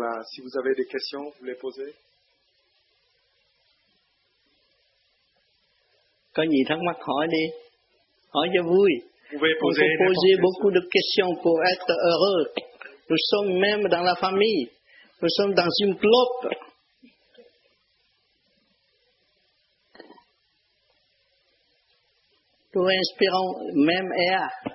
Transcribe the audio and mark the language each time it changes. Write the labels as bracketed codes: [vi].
[fr] Si vous avez des questions, vous les posez. [vi] Có gì thắc mắc hỏi đi, hỏi cho vui. [fr] Vous pouvez poser, beaucoup de questions pour être heureux. Nous sommes même dans la famille, nous sommes dans une clope. Nous inspirons même air.